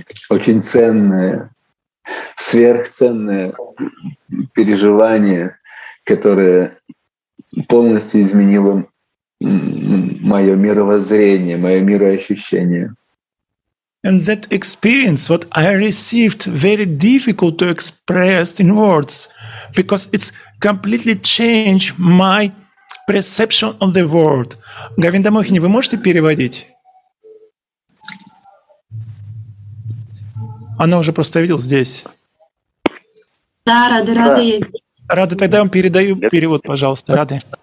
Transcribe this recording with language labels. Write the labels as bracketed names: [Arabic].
[Russian] Очень ценное, сверхценное переживание, которое полностью изменило мое мировоззрение, мое мироощущение. [English] And that experience, what I received, very difficult to express in words, because it's completely changed my perception of the world. [Russian] Говинда Мохини, вы можете переводить? Она уже просто видела здесь. Да, Рады я здесь. Рады, тогда я вам передаю перевод, пожалуйста, Рады.